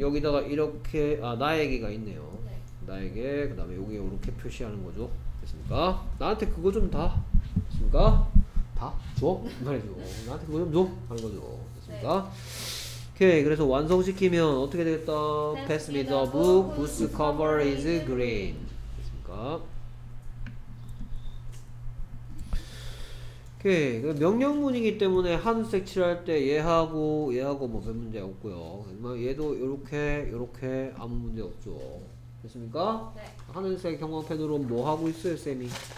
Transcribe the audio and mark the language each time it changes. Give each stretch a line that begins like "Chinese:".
Korean: 여기다가 이렇게 아 나에게가 있네요. 네. 나에게 그 다음에 여기 이렇게 표시하는 거죠. 됐습니까? 나한테 그거 좀 다. 됐습니까? 다? 줘? 말해줘. 나한테 그거 좀 줘? 하는 거죠. 됐습니까? 네. 오케이 그래서 완성시키면 어떻게 되겠다?
English: Pass me the book whose cover is green.
Korean: 됐습니까? 오케이 명령문이기 때문에 하늘색 칠할 때 얘하고 얘하고 뭐 별 문제 없고요. 얘도 요렇게 요렇게 아무 문제 없죠. 됐습니까? 네. 하늘색 형광펜으로 뭐 하고 있어요, 쌤이?